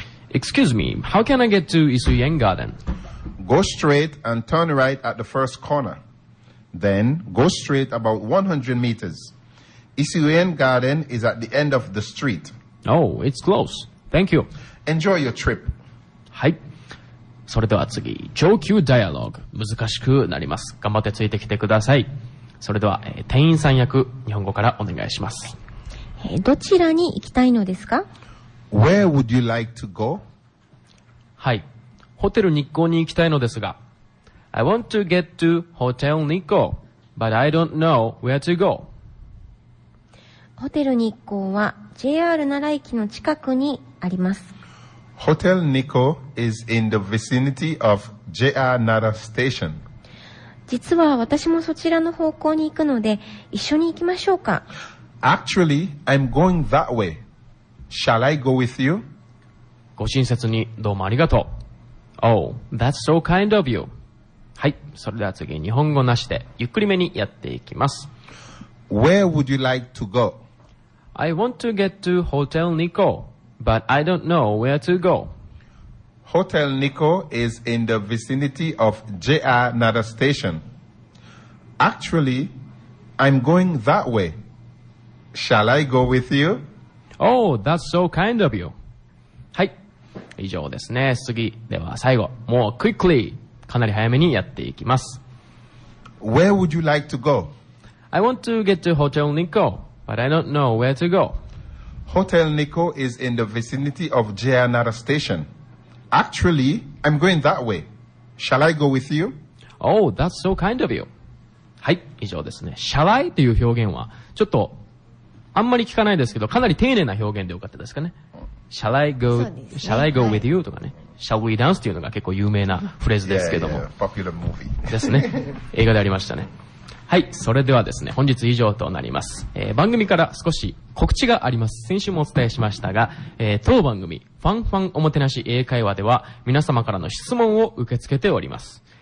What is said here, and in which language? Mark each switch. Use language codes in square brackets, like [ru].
[en] Excuse me, how can I get to Isuyen Garden? Go straight and turn right at the first corner. Then go straight about 100 meters. Isuyen Garden is at the end of the street. Oh, it's close. Thank you. Enjoy your trip. [ja] はい。それでは次、上級ダイアログ。難しくなります。頑張ってついてきてください。それでは、店員さん役、日本語からお願いします。どちらに行きたいのですか? [en] Where would you like to go? [ja] はい。ホテル日光に行きたいのですが。 [en] I want to get to Hotel Nikko, but I don't know where to go. [ja] ホテル日光は JR 奈良駅の近くにあります。 [en] Hotel Nikko is in the vicinity of JR 奈良 station. [ja] 実は私もそちらの方向に行くので、一緒に行きましょうか。 [en] Actually, I'm going that way. Shall I go with you? [ja] ご親切にどうもありがとう。 [en] Oh, that's so kind of you. [ja] はい、それでは次、日本語なしでゆっくりめにやっていきます。 [en] Where would you like to go? I want to get to Hotel Nikko, but I don't know where to go. Hotel Nikko is in the vicinity of JR Nara Station. Actually, I'm going that way. Shall I go with you? Oh, that's so kind of you. [ja] はい、以上ですね。次、では最後、 [en] more quickly、 [ja] かなり早めにやっていきます。 [en] Where would you like to go? I want to get to Hotel Nikko, but I don't know where to go. Hotel Nikko is in the vicinity of JR Nara Station. Actually, I'm going that way. Shall I go with you? Oh, that's so kind of you. [ja] はい、以上ですね。 [en] Shall I? [ja] という表現は、ちょっと、あんまり聞かないですけど、かなり丁寧な表現でよかったですかね。 [en] Shall I go,、ね、shall I go with you? [ja] とかね。 [en] Shall we dance? [ja] というのが結構有名なフレーズですけども。 [en] Yeah, popular movie. [ja] ですね。映画でありましたね。はい、それではですね、本日以上となります、番組から少し告知があります。先週もお伝えしましたが、当番組ファンファンおもてなし英会話では皆様からの質問を受け付けております。